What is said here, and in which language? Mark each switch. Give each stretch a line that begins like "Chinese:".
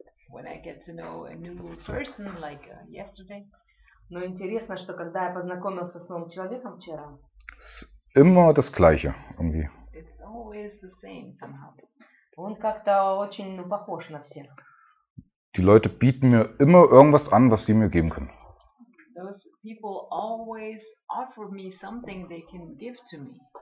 English: When I get to know a new person, like yesterday.
Russian: Но интересно, что когда я познакомился с новым человеком вчера.
German: Es ist immer das Gleiche, irgendwie.
English: It's always the same, somehow.
Russian: Он как-то очень, ну, похож на всех.
German: Die Leute bieten mir immer irgendwas an, was sie mir geben können.
English: Those people always offer me something they can give to me.